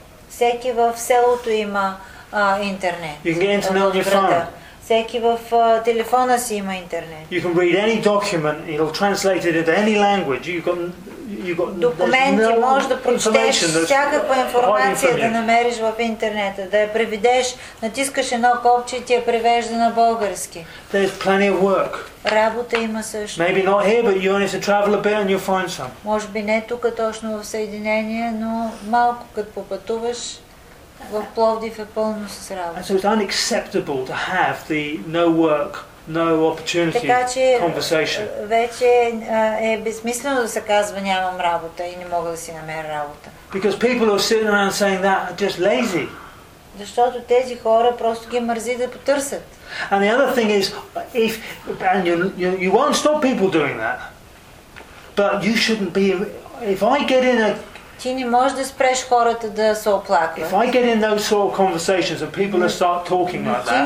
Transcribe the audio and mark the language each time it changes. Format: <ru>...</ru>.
<bg>Всеки в селото има интернет. Всеки в телефона си има интернет.</bg> <en>You can read any document, it'll translate it into any language.</en> <bg>Документи, можеш да прочетеш всякаква информация, да намериш в интернета, да я преведеш, натискаш едно копче и ти я превежда на български.</bg> <en>There's plenty of work.</en> <bg>Работа има също.</bg> <en>Maybe not here, but you only have to travel a bit and you'll find some.</en> <bg>Може би не тук точно в Съединение, но малко като попътуваш. В Пловдив е пълно с работа.</bg> <en>So it's unacceptable to have the no work, no opportunity conversation.</en> <bg>Така че вече е безсмислено да се казва нямам работа и не мога да си намеря работа.</bg> <en>Because people are sitting around saying that are just lazy.</en> <bg>Защото тези хора просто ги мързи да потърсят.</bg> <en>And the other thing is, if and you won't stop people doing that, but you shouldn't be. If I get in a</en> <bg>Ти не можеш да спреш хората да се оплакват.</bg> <en>If I get in those sort of conversations and people mm-hmm. start talking like that.</en>